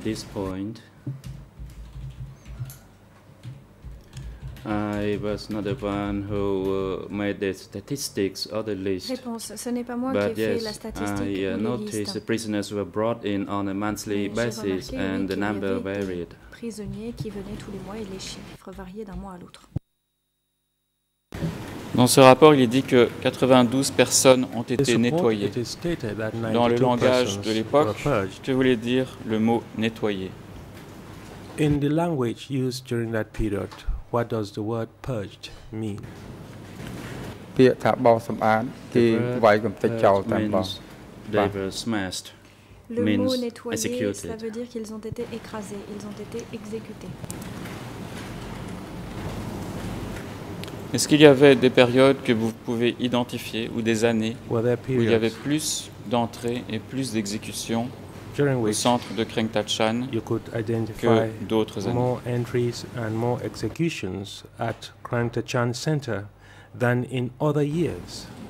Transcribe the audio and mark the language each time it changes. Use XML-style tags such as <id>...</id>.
<en>this point, I was not the one who made the statistics or the list.</en> <fr>Réponse, ce n'est pas moi qui ai fait la statistique.</fr> <en>I noticed the prisoners were brought in on a monthly basis and the number varied.</en> <fr>Prisonniers qui venaient tous les mois et les chiffres variaient d'un mois à l'autre. Dans ce rapport, il est dit que 92 personnes ont été nettoyées. Dans le langage de l'époque, que voulait dire le mot nettoyer?</fr> <en>In the language used during that period, what does the word purged mean? The word purged means they were smashed.</en> <fr>Le</fr> <en>means</en> <fr>mot nettoyer,</fr> <en>executed.</en> <fr>Ça veut dire qu'ils ont été écrasés, ils ont été exécutés. Est-ce qu'il y avait des périodes que vous pouvez identifier ou des années où il y avait plus d'entrées et plus d'exécutions au centre de Krang Tachan que d'autres années?</fr> <en>More entries and more executions at Krang Tachan Center than in other years.</en>